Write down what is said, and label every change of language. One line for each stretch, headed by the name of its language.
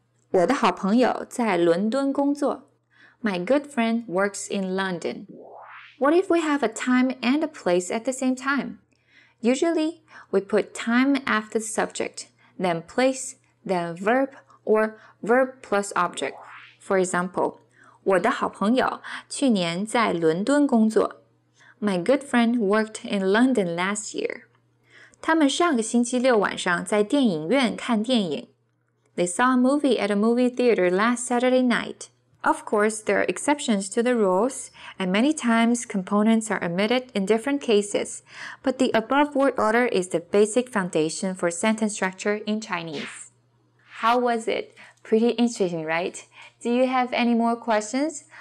Chinese: 我的好朋友在伦敦工作。
English: My good friend works in London. What if we have a time and a place at the same time? Usually, we put time after the subject, then place, then verb, or verb plus object. For example,
Chinese: 我的好朋友去年在伦敦工作。
English: My good friend worked in London last year.
Chinese: 他们上个星期六晚上在电影院看电影。
English: They saw a movie at a movie theater last Saturday night. Of course, there are exceptions to the rules, and many times components are omitted in different cases, but the above word order is the basic foundation for sentence structure in Chinese. How was it? Pretty interesting, right? Do you have any more questions?